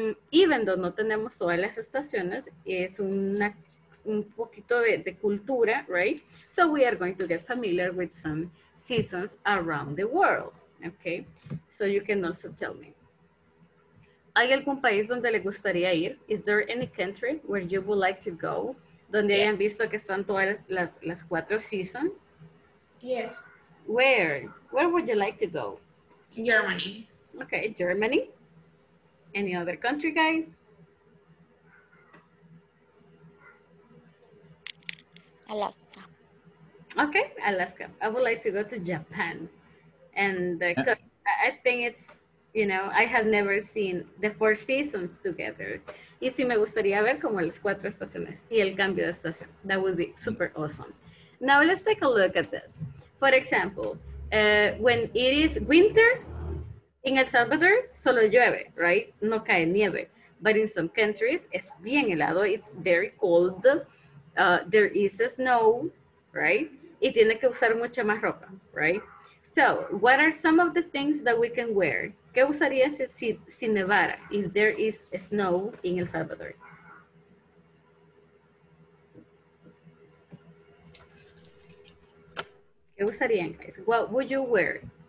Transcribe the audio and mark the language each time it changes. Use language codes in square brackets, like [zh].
[en] Even though [es] no tenemos todas las estaciones, es un poquito de cultura, right? [en] So we are going to get familiar with some seasons around the world, okay? So you can also tell me. [es] ¿Hay algún país donde le gustaría ir? [en] Is there any country where you would like to go? [es] ¿Donde hayan visto que están todas las cuatro seasons? [en] Yes. Where would you like to go? Germany. Okay, Germany. Any other country, guys? Alaska. Okay, Alaska. I would like to go to Japan. And I think it's, you know, I have never seen the four seasons together. [es] Y si me gustaría ver como las cuatro estaciones y el cambio de estación. [en] That would be super awesome. Now let's take a look at this. For example, when it is winter in El Salvador, [es] solo llueve, [en] right? [es] No cae nieve. [en] But in some countries, [es] es bien helado. [en] It's very cold. There is a snow, right? [es] Y tiene que usar mucha más ropa, right? [en] So, what are some of the things that we can wear? [es] ¿Qué usaría si nevara, [en] if there is a snow in El Salvador? [es] ¿Qué usarían, [en] guys? What would you wear?